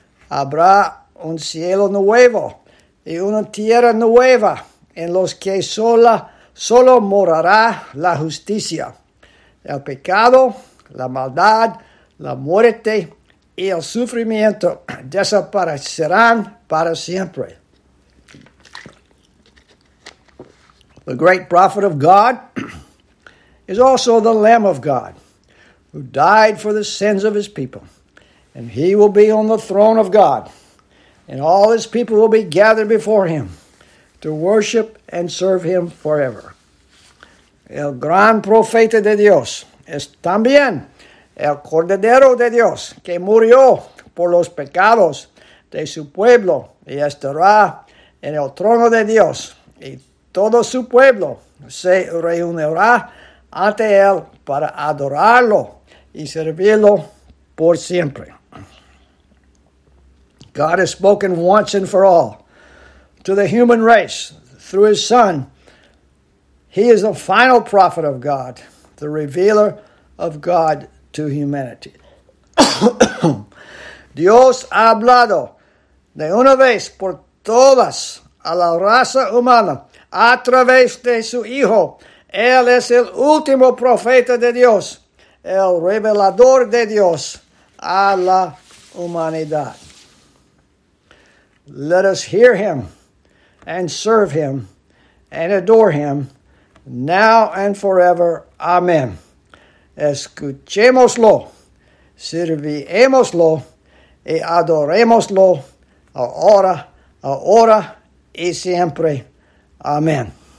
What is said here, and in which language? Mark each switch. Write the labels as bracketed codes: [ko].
[es] Habrá un cielo nuevo y una tierra nueva en los que solo morará la justicia. El pecado, la maldad, la muerte y el sufrimiento desaparecerán para siempre. [en] The great prophet of God is also the Lamb of God who died for the sins of his people. And he will be on the throne of God. And all his people will be gathered before him to worship and serve him forever. [es] El gran profeta de Dios es también el Cordero de Dios que murió por los pecados de su pueblo y estará en el trono de Dios y todo su pueblo se reunirá ante él para adorarlo y servirlo por siempre. [en] God has spoken once and for all to the human race through his Son. He is the final prophet of God, the revealer of God to humanity. [es] Dios ha hablado de una vez por todas a la raza humana a través de su Hijo. Él es el último profeta de Dios, el revelador de Dios a la humanidad. [en] Let us hear him and serve him and adore him now and forever. Amen. [es] Escuchémoslo, sirviémoslo y adorémoslo ahora y siempre. Amen.